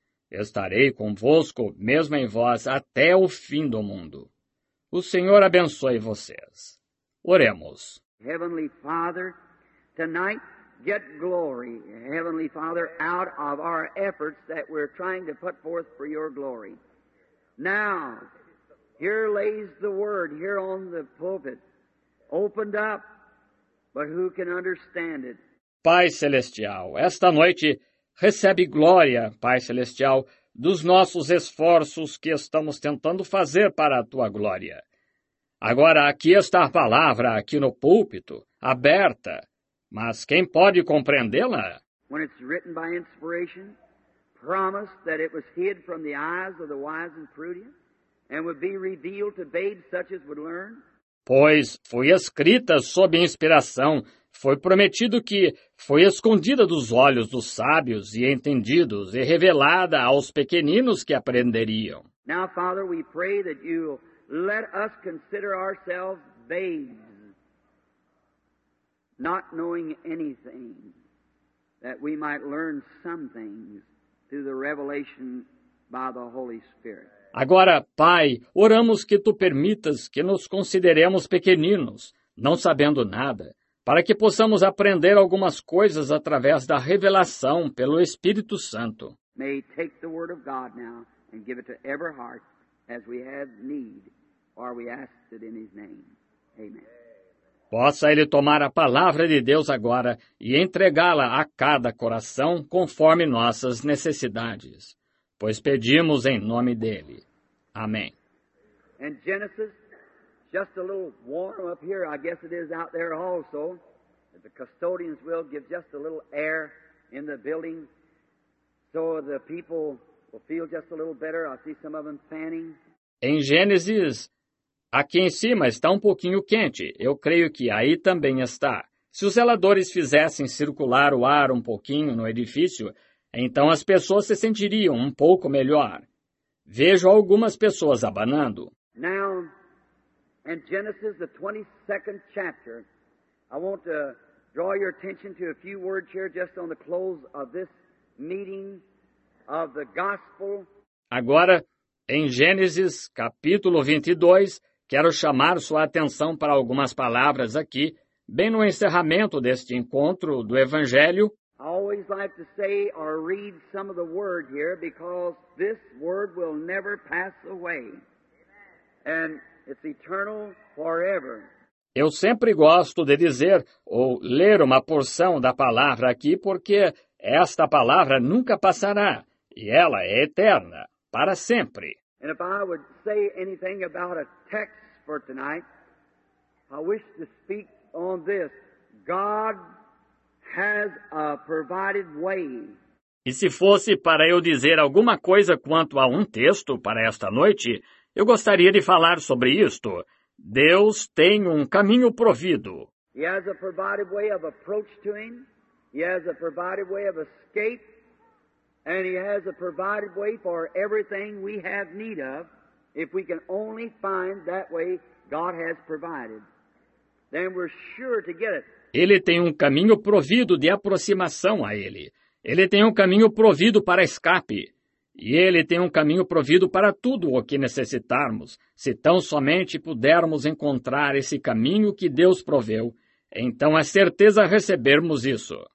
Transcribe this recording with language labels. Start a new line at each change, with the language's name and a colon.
Portuguese: Estarei convosco, mesmo em vós, até o fim do mundo. O Senhor abençoe vocês. Oremos.
English: Heavenly Father, tonight, get glory, Heavenly Father, out of our efforts that we're trying to put forth for your glory. Now, here lays the word, here on the pulpit, opened up, but who can understand it?
Portuguese: Pai Celestial, esta noite, recebe glória, Pai Celestial, dos nossos esforços que estamos tentando fazer para a Tua glória. Agora, aqui está a palavra, aqui no púlpito, aberta. Mas quem pode compreendê-la?
English: When it's written by inspiration, promised that it was hid from the eyes of the wise and prudent, and would be revealed to babes such as would learn.
Portuguese: Pois foi escrita sob inspiração, foi prometido que foi escondida dos olhos dos sábios e entendidos e revelada aos pequeninos que aprenderiam.
English: Now, Father, we pray that you let us consider ourselves babes, not knowing anything, that we might learn some things through the revelation by the Holy Spirit.
Portuguese: Agora, Pai, oramos que Tu permitas que nos consideremos pequeninos, não sabendo nada, para que possamos aprender algumas coisas através da revelação pelo Espírito Santo.
English: May he take the word of God now and give it to every heart as we have need, or we ask it in his name. Amen.
Portuguese: Possa ele tomar a palavra de Deus agora e entregá-la a cada coração conforme nossas necessidades. Pois pedimos em nome dele. Amém.
English: And Genesis, just a little warm up here, I guess it is out there also. If the custodians will give just a little air in the building, so the people will feel just a little better. I see some of them fanning.
Portuguese: Em Gênesis, aqui em cima está um pouquinho quente. Eu creio que aí também está. Se os zeladores fizessem circular o ar um pouquinho no edifício, então as pessoas se sentiriam um pouco melhor. Vejo algumas pessoas abanando.
English: Now, in Genesis, the 22nd chapter, I want to draw your attention to a few words here just on the close of this meeting of the gospel.
Portuguese: Agora, em Gênesis, capítulo 22, quero chamar sua atenção para algumas palavras aqui, bem no encerramento deste encontro do Evangelho.
English: I always like to say or read some of the word here because this word will never pass away. And it's eternal forever.
Portuguese: Eu sempre gosto de dizer ou ler uma porção da palavra aqui porque esta palavra nunca passará e ela é eterna, para sempre.
English: And if I would say anything about a text for tonight, I wish to speak on this. God has a provided way.
Portuguese: E se fosse para eu dizer alguma coisa quanto a um texto para esta noite, eu gostaria de falar sobre isto. Deus tem um caminho provido.
English: He has a provided way of approach to him. He has a provided way of escape. And he has a provided way for everything we have need of. If we can only find that way God has provided, then we're sure to get it.
Portuguese: Ele tem um caminho provido de aproximação a Ele. Ele tem um caminho provido para escape. E Ele tem um caminho provido para tudo o que necessitarmos, se tão somente pudermos encontrar esse caminho que Deus proveu. Então é certeza recebermos isso.